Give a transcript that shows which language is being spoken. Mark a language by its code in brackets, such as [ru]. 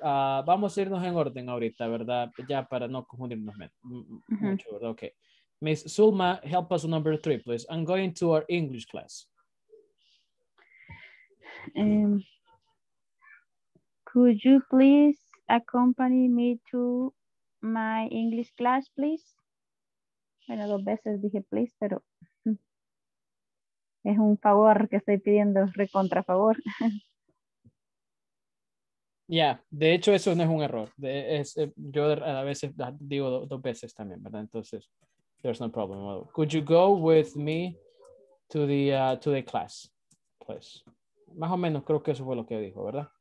[es] vamos a irnos en orden ahorita, ¿verdad? Ya para no confundirnos mucho, ¿verdad? Okay. [en] Miss Soma, help us on number 3, please. I'm going to our English class. Could you please accompany me to my English class, please? [es] Bueno, dos veces dije please, pero es un favor que estoy pidiendo, recontra favor. Yeah, de hecho eso no es un error. Yo a veces digo dos veces también, ¿verdad? [en] Entonces, there's no problem. Could you go with me to the class, please? [es] Más o menos creo que eso fue lo que dijo, ¿verdad?